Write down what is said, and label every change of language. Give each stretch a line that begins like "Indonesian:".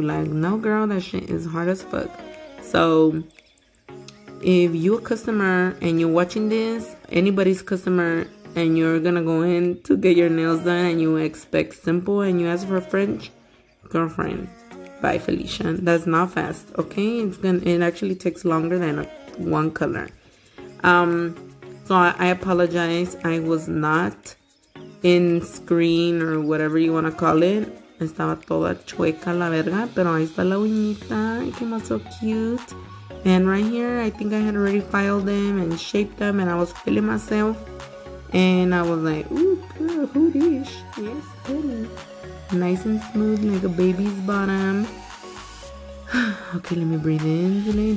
English: Like, no, girl, that shit is hard as fuck. So if you a customer and you're watching this, anybody's customer, and you're gonna go in to get your nails done and you expect simple and you ask for French, girlfriend, bye, Felicia. That's not fast, okay? It actually takes longer than one color. So I apologize. I was not in screen or whatever you wanna call it.
Spanish: Estaba toda chueca la verga, pero ahí está la uñita.
English: It came out so cute. And right here, I think I had already filed them and shaped them, and I was feeling myself. And I was like, ooh, girl, hootish. Yes, pretty. Nice and smooth, like a baby's bottom. Okay, let me breathe in, Zuley.